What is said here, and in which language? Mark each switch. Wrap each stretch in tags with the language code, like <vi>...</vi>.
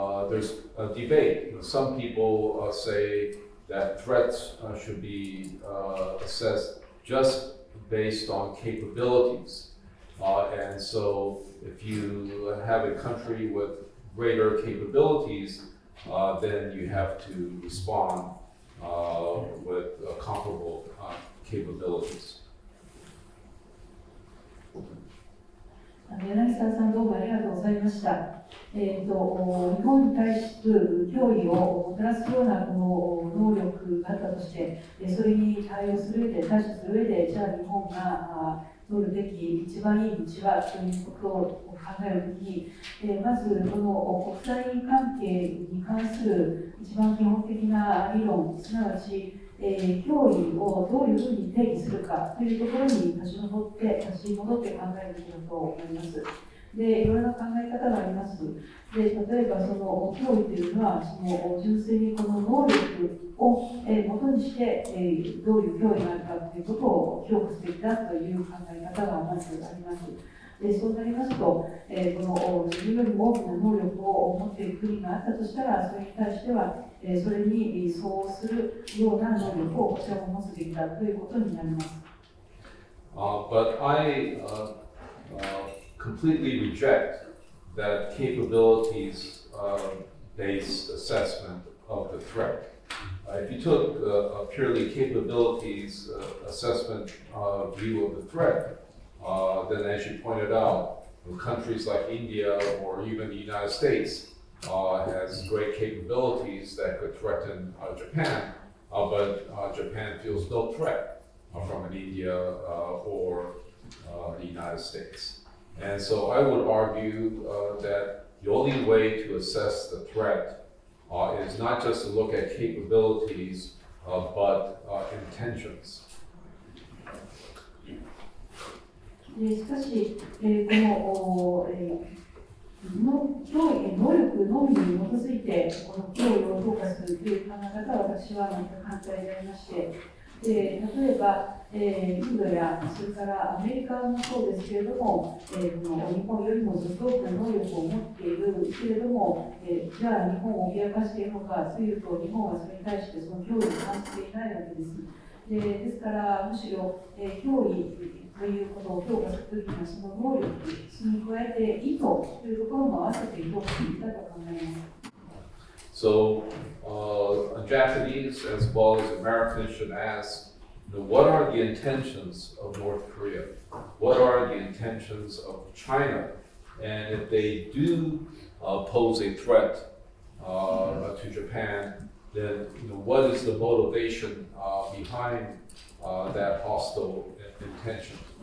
<en>There's a debate. Some people say that threats should be assessed just based on capabilities. And so if you have a country with greater capabilities, then you have to respond with comparable capabilities.</en> <ja>柳沢さん、どうもありがとうございました。日本に対して脅威をもたらすようなこの能力があったとして、それに対応する上で、対処する上で、じゃあ日本が取るべき一番いい道はということを考えるときに、まずこの国際関係に関する一番基本的な理論、すなわち、脅威をどういうふうに定義するかというところに立ち戻って考えるべきだと思います。で、いろいろな考え方があります。で、例えばその脅威というのは、その純粋にこの能力をもとにして、どういう脅威があるかということを評価すべきだという考え方がまずあります。で、そうなりますと、この自分よりも大きな能力を持っている国があったとしたら、それに対しては、それに相応するような能力をこちらも持つべきだということになります。</ja> <en>But I completely reject that capabilities-based assessment of the threat. If you took a purely capabilities assessment view of the threat, then as you pointed out, countries like India or even the United States has great capabilities that could threaten Japan, but Japan feels no threat from an India or the United States. And so I would argue that the only way to assess the threat is not just to look at capabilities, but intentions.</en> <ja>しかし、この能力のみに基づいて、この脅威を評価するという考え方は私は何か反対でありまして、で例えば、インドや、それからアメリカもそうですけれども、この日本よりもずっと多くの能力を持っているけれども、じゃあ日本を脅かしているのかというと、日本はそれに対してその脅威を感じていないわけです。ですから、むしろ、脅威ということを評価するときには、その能力に加えて意図というところも合わせて評価していたと考えます。</ja> <en>So, Japanese as well as Americans should ask, what are the intentions of North Korea? What are the intentions of China? And if they do pose a threat to Japan, then what is the motivation behind that hostile intention?</en>